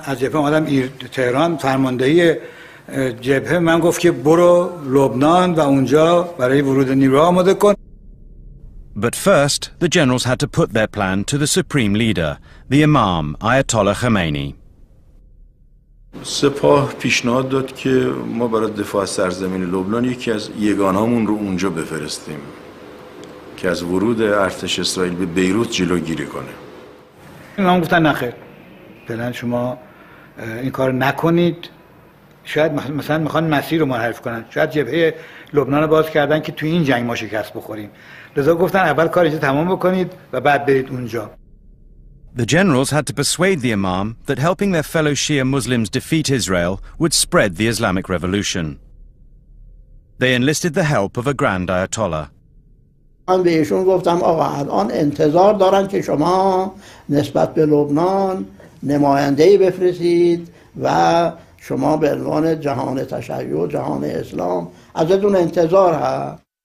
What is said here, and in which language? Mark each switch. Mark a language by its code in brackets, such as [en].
[en] I was from Tehran, the commander of the Lebanon. I said, go to Lebanon and there for the invasion. But first, the generals had to put their plan to the supreme leader, the Imam Ayatollah Khomeini. [fa] سپاه پیشنهاد داد که ما برای دفاع از سرزمین لبنان یکی از یگانهامون رو اونجا بفرستیم که از ورود ارتش اسرائیل به بیروت جلوگیری کنه. امام گفتن نخیر. بلن شما این کار نکنید. شاید مثلا میخوان مسیر رو منحرف کنن. شاید جبهه لبنان رو باز کردن که تو این جنگ ما شکست بخوریم. لذا گفتن اول کارش رو تمام بکنید و بعد برید اونجا. [en] The generals had to persuade the imam that helping their fellow Shia Muslims defeat Israel would spread the Islamic Revolution. They enlisted the help of a grand ayatollah. [fa] من بهشون گفتم آقا الان انتظار دارن که شما نسبت به لبنان نماینده‌ای بفرستید و شما به عنوان جهان تشیع و جهان اسلام ازتون انتظار هست.